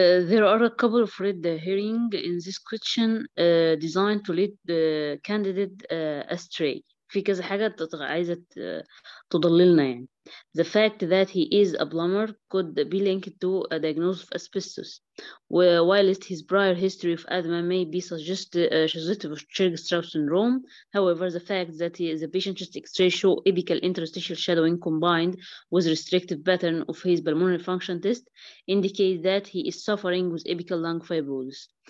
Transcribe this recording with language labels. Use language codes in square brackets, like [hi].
[en] There are a couple of red herring in this question designed to lead the candidate astray. [ar] في كذا حاجة عايزة تضللنا يعني. [en] The fact that he is a plumber could be linked to a diagnosis of asbestos, whilst his prior history of asthma may be suggestive of Churg-Strauss syndrome. However, the fact that the patient chest X-ray show apical interstitial shadowing combined with restrictive pattern of his pulmonary function test indicates that he is suffering with apical lung fibrosis.